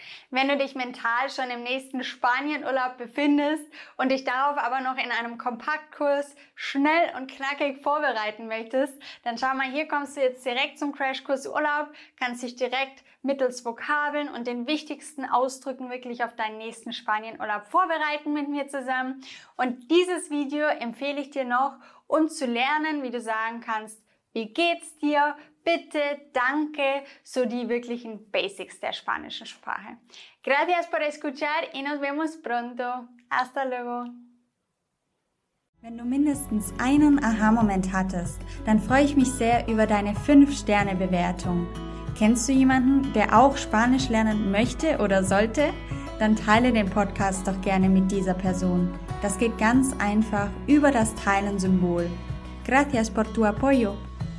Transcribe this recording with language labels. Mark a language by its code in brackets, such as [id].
[de] Wenn du dich mental schon im nächsten Spanienurlaub befindest und dich darauf aber noch in einem Kompaktkurs schnell und knackig vorbereiten möchtest, dann schau mal, hier kommst du jetzt direkt zum Crashkurs Urlaub, kannst dich direkt mittels Vokabeln und den wichtigsten Ausdrücken wirklich auf deinen nächsten Spanienurlaub vorbereiten mit mir zusammen. Und dieses Video empfehle ich dir noch, um zu lernen, wie du sagen kannst, wie geht's dir? Bitte, danke, so die wirklichen Basics der spanischen Sprache. [es] Gracias por escuchar y nos vemos pronto. Hasta luego. [de] Wenn du mindestens einen Aha-Moment hattest, dann freue ich mich sehr über deine 5-Sterne-Bewertung. Kennst du jemanden, der auch Spanisch lernen möchte oder sollte? Dann teile den Podcast doch gerne mit dieser Person. Das geht ganz einfach über das Teilen-Symbol. [es] Gracias por tu apoyo.